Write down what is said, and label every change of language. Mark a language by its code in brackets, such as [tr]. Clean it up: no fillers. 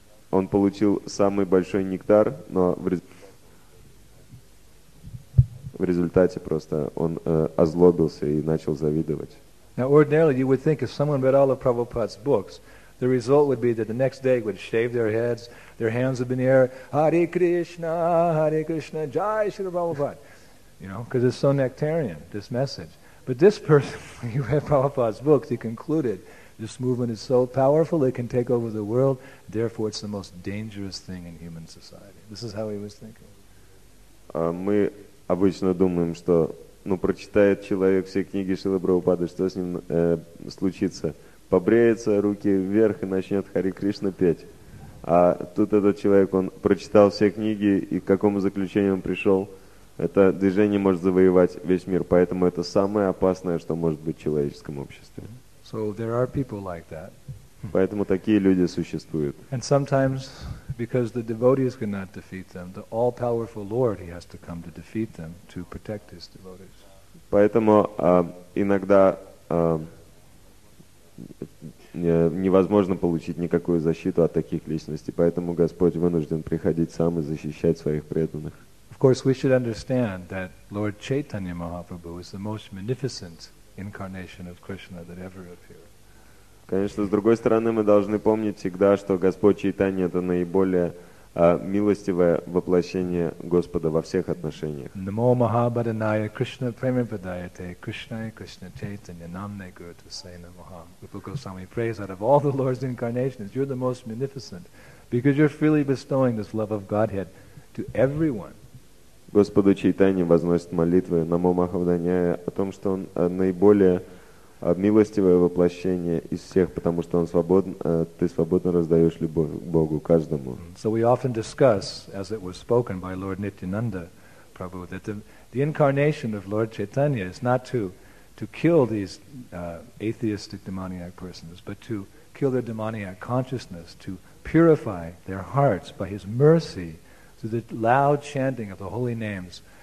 [ru] Он получил самый большой нектар, но в результате просто он озлобился и начал завидовать. [en] Now ordinarily you would think if someone read all of Prabhupada's books, the result would be that the next day would shave their heads, their hands would be in the air, Hare Krishna, Jai Shri Prabhupada. You know, because it's so nectarian, this message. But this person, when he read Prabhupada's books, he concluded, this movement is so powerful, it can take over the world, therefore it's the most dangerous thing in human society. This is how he was thinking. [ru] Мы обычно думаем, что прочитает человек все книги Шрилы Прабхупады, что с ним случится? Побреется, руки вверх, и начнет Хари Кришна петь. А тут этот человек, он прочитал все книги, и к какому заключению он пришел? Это движение может завоевать весь мир, поэтому это самое опасное, что может быть в человеческом обществе. [en] So there are people like that. [ru] Поэтому такие люди существуют. [en] And sometimes, because the devotees cannot defeat them, the all-powerful Lord, he has to come to defeat them, to protect his devotees. [ru] Поэтому иногда невозможно получить никакую защиту от таких личностей, поэтому Господь вынужден приходить сам и защищать своих преданных. [en] Of course, we should understand that Lord Chaitanya Mahaprabhu is the most magnificent incarnation of Krishna that ever appeared. [ru] Конечно, с другой стороны, мы должны помнить всегда, что Господь Чайтанья — это наиболее милостивое воплощение Господа во всех отношениях. [sa] Намо Махабаданая Кришна Премападаяте Кришна и Кришна Чайтанья Намне Гуру Тусейна Маха. [en] Рупа Госвами, praise out of all the Lord's incarnations, you're the most magnificent because you're freely bestowing this love of Godhead to everyone. [ru] Господу Чайтанья возносит молитвы [sa] Намо Махабаданая [ru] о том, что он наиболее милостивое воплощение из всех, потому что он свободен, ты свободно раздаешь любовь к Богу каждому. [en] So we often discuss, as it was spoken by Lord Nityananda Prabhu, that the incarnation of Lord Chaitanya is not to kill these atheistic demoniac persons, but to kill their demoniac consciousness, to purify their hearts by his mercy through the loud chanting of the holy names.